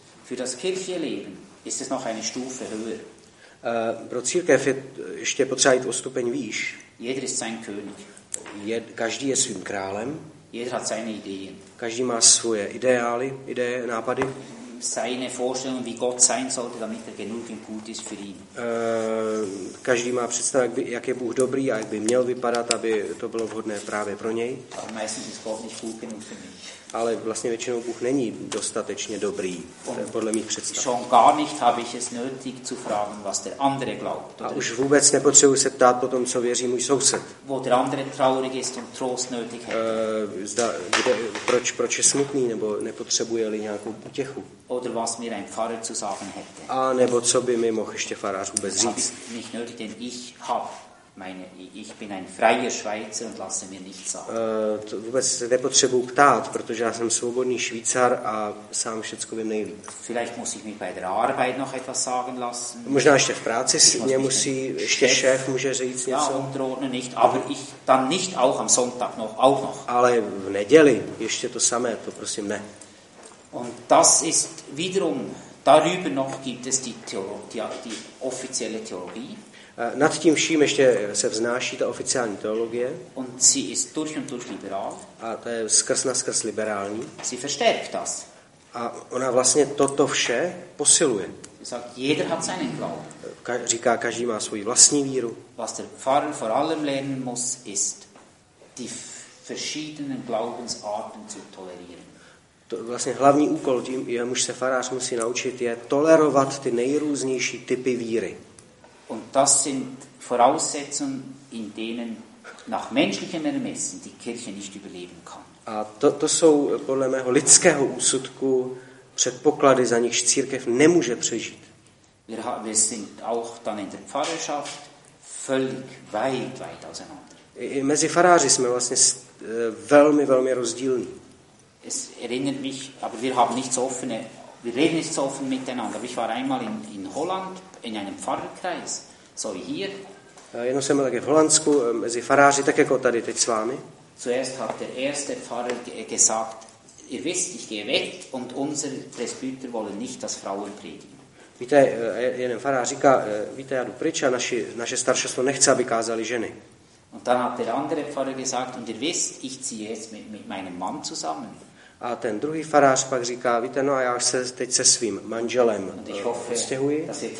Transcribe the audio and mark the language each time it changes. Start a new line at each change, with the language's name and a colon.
German: Für das Kirchenleben ist es noch eine Stufe höher.
Czech: Pro církev je ještě potřeba jít o stupeň výš.
German: Jeder ist sein König.
Czech: každý je svým králem.
German: Jeder hat seine Ideen.
Czech: Každý má svoje ideály, ideje, nápady.
German: Seine Vorstellung, wie Gott sein sollte, damit er genügend gut ist für ihn.
Czech: Každý má představu, jak je Bůh dobrý a jak by měl vypadat, aby to bylo vhodné právě pro něj.
German: Aber meistens ist Gott nicht gut genug für mich.
Czech: Ale vlastně většinou Bůh není dostatečně dobrý, podle mých představ.
German: Schon gar nicht habe ich es nötig zu fragen, was der andere glaubt.
Czech: A už vůbec nepotřebuji se ptát po tom, co věří můj soused.
German: Wo der andere traurig ist und Trost nötig hat.
Czech: Proč je smutný, nebo nepotřebuje-li nějakou útěchu.
German: Oder was mir ein Pfarrer zu sagen hätte.
Czech: A nebo co by mi mohl ještě farář vůbec říct.
German: Habe ich nicht nötig, denn ich habe. Ich bin ein freier Schweizer und lasse mir nichts sagen.
Czech: Vůbec se nepotřebuji ptát, protože já jsem svobodný Švýcar a sám všecko vím nejlíp.
German: Vielleicht muss ich mich bei der Arbeit noch etwas sagen lassen.
Czech: Možná ještě v práci mě musí ještě šéf může říct něco.
German: Ja, unterordne nicht, aber ich dann nicht auch am Sonntag noch auch noch.
Czech: Ale v neděli ještě to samé, to prosím ne.
German: Und das ist wiederum darüber noch gibt es die offizielle Theologie.
Czech: Nad tím vším ještě se vznáší ta oficiální teologie.
German: Und sie ist durch und durch liberal.
Czech: A to je skrz na skrz liberální.
German: Sie verstärkt das.
Czech: A ona vlastně toto vše posiluje.
German: Sagt, jeder hat seinen Glauben.
Czech: Říká, každý má svou vlastní víru.
German: Was der Pfarrer vor allem lernen muss, ist die verschiedenen Glaubensarten zu tolerieren.
Czech: To vlastně hlavní úkol, tím, jemuž se farář musí naučit, je tolerovat ty nejrůznější typy víry.
German: Und das sind Voraussetzungen, in denen nach menschlichem Ermessen die Kirche nicht überleben kann.
Czech: A to jsou podle mého lidského úsudku předpoklady, za nichž církev nemůže přežít.
German: Wir sind auch dann in der Pfarrerschaft völlig weit auseinander.
Czech: Mezi faráři jsme vlastně velmi, velmi rozdílní.
German: Es erinnert mich, aber wir haben nicht so offene, wir reden nicht so offen miteinander. Ich war einmal in Holland, in einem Pfarrerkreis, so wie hier.
Czech: Jenom jsem byl také v Holandsku, mezi faráři, tak jako tady teď s vámi.
German: Zuerst hat der erste Pfarrer gesagt, ihr wisst, ich gehe weg und unsere Presbyter wollen nicht, dass Frauen predigen.
Czech: Víte, jeden farář říká, víte, já jdu pryč a naše staršostvo nechce, aby kázali ženy.
German: Und dann hat der andere Pfarrer gesagt, und ihr wisst, ich ziehe jetzt mit meinem Mann zusammen.
Czech: A ten druhý farář pak říká, víte, no a já se teď se svým manželem odstěhuji.